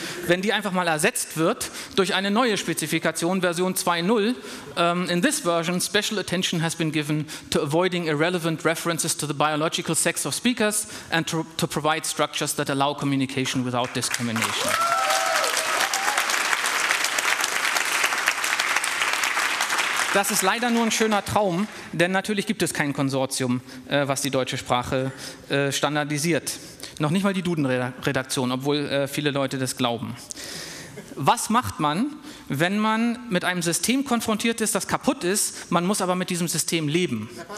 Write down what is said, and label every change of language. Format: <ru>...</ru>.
<de>Wenn die einfach mal ersetzt wird durch eine neue Spezifikation, Version 2.0.</de> <en>In this version, special attention has been given to avoiding irrelevant references to the biological sex of speakers and to provide structures that allow communication without discrimination.</en> <de>Das ist leider nur ein schöner Traum, denn natürlich gibt es kein Konsortium, was die deutsche Sprache standardisiert. Noch nicht mal die Duden-Redaktion, obwohl viele Leute das glauben. Was macht man, wenn man mit einem System konfrontiert ist, das kaputt ist, man muss aber mit diesem System leben?</de>